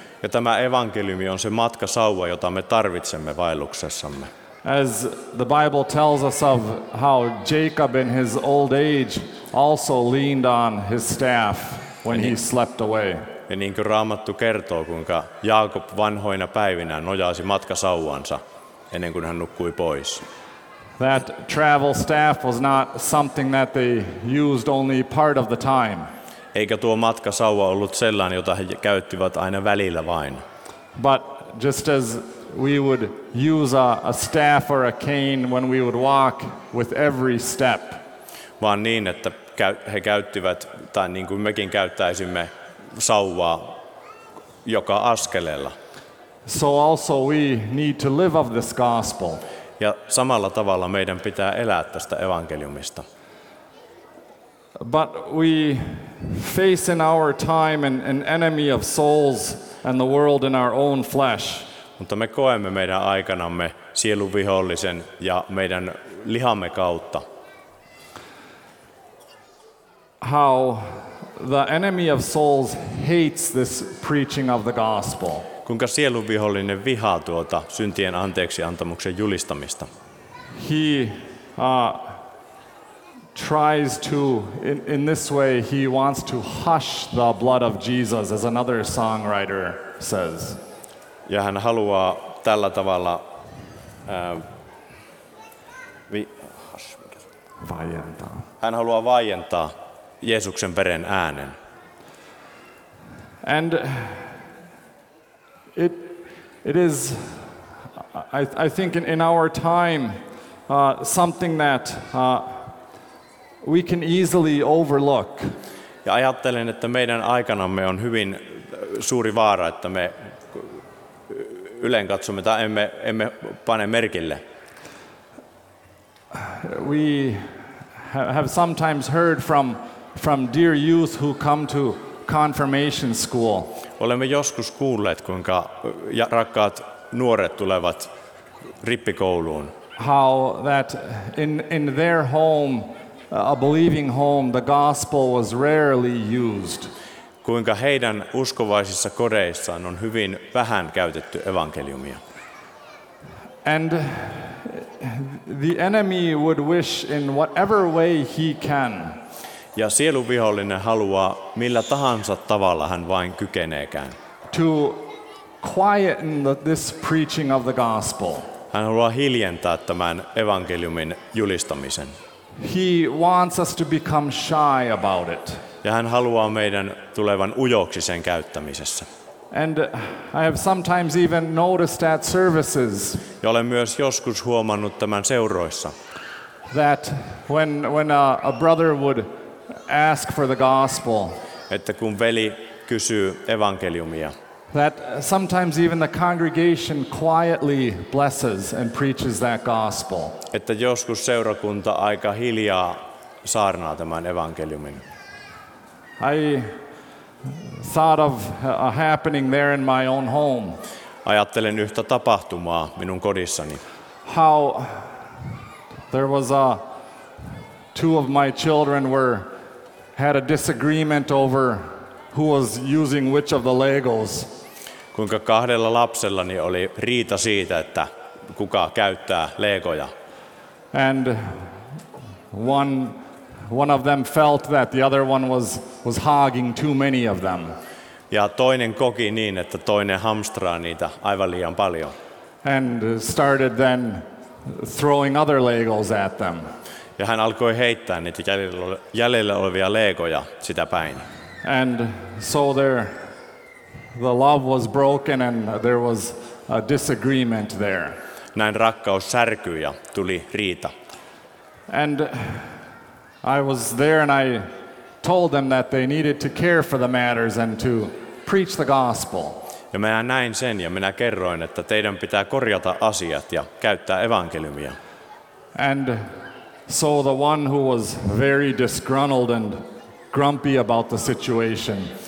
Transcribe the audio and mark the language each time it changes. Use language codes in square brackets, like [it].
[fi] Ja tämä evankeliumi on se matkasauva, jota me tarvitsemme vaelluksessamme. [en] As the Bible tells us of how Jacob in his old age also leaned on his staff when he slept away. [fi] Ja niin kuin Raamattu kertoo, kuinka Jaakob vanhoina päivinä nojasi matkasauvansa ennen kuin hän nukkui pois. [en] That travel staff was not something that they used only part of the time. [fi] Eikä tuo matkasauva ollut sellainen, jota he käyttivät aina välillä vain. [en] But just as we would use a staff or a cane when we would walk with every step. [fi] Vaan niin, että he käyttivät, tai niin kuin mekin käyttäisimme, sauvaa joka askeleella. [en] So also we need to live of this gospel. [fi] Ja samalla tavalla meidän pitää elää tästä evankeliumista. [en] But we face in our time an enemy of souls and the world in our own flesh. [fi] Mutta me koemme meidän aikanamme sielun vihollisen ja meidän lihamme kautta. [en] How the enemy of souls hates this preaching of the gospel. [fi] Kuinka sielun vihollinen vihaa tuota syntien anteeksiantamuksen julistamista. [en] He tries to in this way he wants to hush the blood of Jesus, as another songwriter says. [fi] Ja hän haluaa tällä tavalla vaientaa. Hän haluaa vaientaa Jeesuksen veren äänen. [en] And it is I think in our time something that we can easily overlook. [fi] Ja ajattelen, että meidän aikanamme on hyvin suuri vaara, että me ylenkatsomme tai emme pane merkille. [en] We have sometimes heard from dear youth who come to confirmation school. [fi] Olemme joskus kuulleet, kuinka rakkaat nuoret tulevat rippikouluun. [en] How that in their home, a believing home, the gospel was rarely used. [fi] Kuinka heidän uskovaisissa kodeissaan on hyvin vähän käytetty evankeliumia. [en] And the enemy would wish in whatever way he can. [fi] Ja sielun vihollinen haluaa millä tahansa tavalla hän vain kykeneekään. [en] To quieten this preaching of the gospel. [fi] Hän haluaa hiljentää tämän evankeliumin julistamisen. [en] He wants us to become shy about it. [fi] Ja hän haluaa meidän tulevan ujoksi sen käyttämisessä. [en] And I have sometimes even noticed at services. [fi] Ja olen myös joskus huomannut tämän seuroissa. [en] That when a brother would ask for the gospel. [fi] Että kun veli kysyy evankeliumia. [en] That sometimes even the congregation quietly blesses and preaches that gospel. [fi] Että joskus seurakunta aika hiljaa saarnaa tämän evankeliumin. [en] I thought of a happening there in my own home. [fi] Ajattelen yhtä tapahtumaa minun kodissani. [en] How there was a two of my children were had a disagreement over who was using which of the Legos. [fi] Kuinka kahdella lapsellani oli riita siitä, että kuka käyttää Legoja. [en] And one one of them felt that the other one was hogging too many of them. [fi] Ja toinen koki niin, että toinen hamstraa niitä aivan liian paljon. [en] And started then throwing other Legos at them. [fi] Ja hän alkoi heittää niitä jäljellä olevia Legoja sitä päin. [en] And so the love was broken and there was a disagreement there. [fi] Näin rakkaus särkyi ja tuli riita. [en] And I was there and I told them that they needed to care for the matters and to preach the gospel. [fi] Ja minä näin sen ja minä kerroin, että teidän pitää korjata asiat ja käyttää evankeliumia. [en] And so the one who was very disgruntled and grumpy about the situation.